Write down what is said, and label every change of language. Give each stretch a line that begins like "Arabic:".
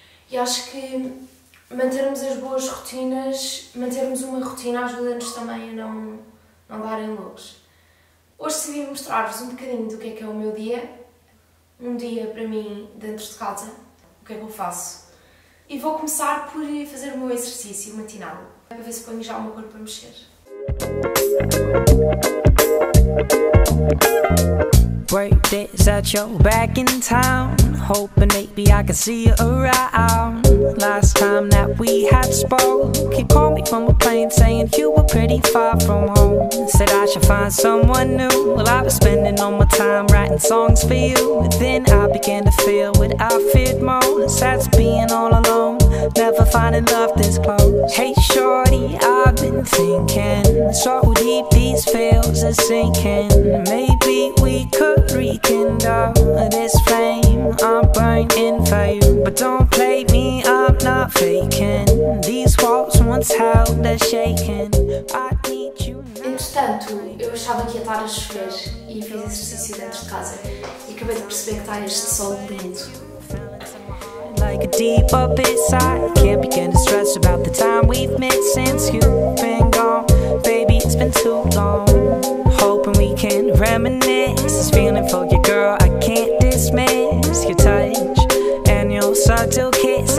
Portuguese: E acho que mantermos as boas rotinas, mantermos uma rotina, ajuda-nos também a não darem loucos. Hoje decidi mostrar-vos um bocadinho do que é o meu dia. Um dia para mim dentro de casa, o que é que eu faço. E vou começar por fazer o meu exercício matinal, para ver se ponho já o meu corpo a mexer.
English: Break this at your back in town, hoping maybe I can see you around. Last time that we had spoke, he called me from a plane saying you were pretty far from home. Said I should find someone new. Well, I was spending all my time writing songs for you. Then I began to feel what I feared most. That's being all alone, never finding love this close. Hey shorty, I've been thinking, so deep these feels are sinking. Maybe we could rekindle this flame, I'm burnt in fire. But don't play me, I'm not faking. These walls once held, they're shaking. I need you.
Portuguese: Entretanto, eu achava que ia estar a chover e fiz exercício dentro de casa e acabei de perceber que está este sol lindo.
English: Like a deep abyss, I can't begin to stress about the time we've missed since you've been gone. Baby, it's been too long. Hoping we can reminisce. Feeling for your girl, I can't dismiss your touch and your subtle kiss.